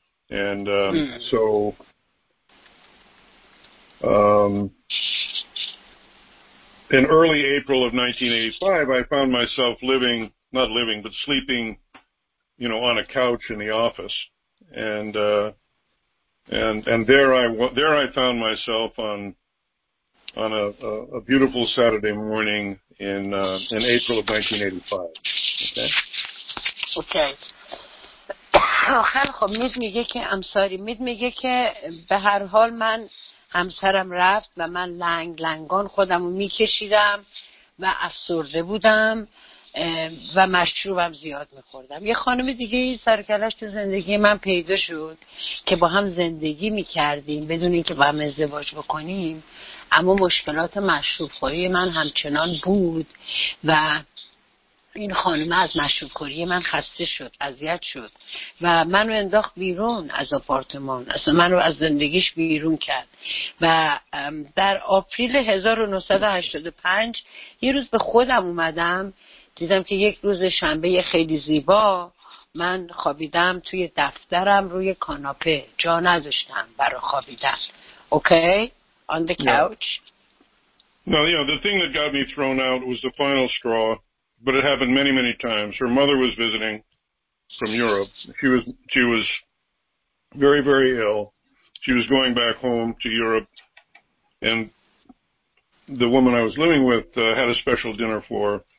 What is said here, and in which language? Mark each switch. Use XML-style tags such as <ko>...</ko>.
<en>And in early April of 1985, I found myself living, not living, but sleeping, you know, on a couch in the office. And there I found myself on a beautiful Saturday morning in April of 1985. Okay. Okay.</en> <fa>خیلی خوب مید میگه که مید میگه که به هر حال من همسرم رفت و من لنگ لنگان خودم رو میکشیدم و افسرده بودم و مشروبم زیاد میخوردم. یه خانم دیگه سرکلش تو زندگی من پیدا شد که با هم زندگی میکردیم بدون اینکه با هم ازدواج بکنیم، اما مشکلات مشروب خوری من همچنان بود و این خانم از مشروب خوری من خسته شد، اذیت شد و منو انداخت بیرون از آپارتمان، اصلا منو از زندگیش بیرون کرد. و در آپریل 1985 یه روز به خودم اومدم دیدم که یک روز شنبه خیلی زیبا من خوابیدم توی دفترم روی کاناپه، جا نداشتم برای خوابیدن.</fa> <en>Okay? On the couch. Well, yeah, the thing that got me thrown out was the final straw, but it happened many, many times. Her mother was visiting from Europe. She was very, very ill. She was going back home to Europe, and the woman I was living with had a special dinner for her.</en>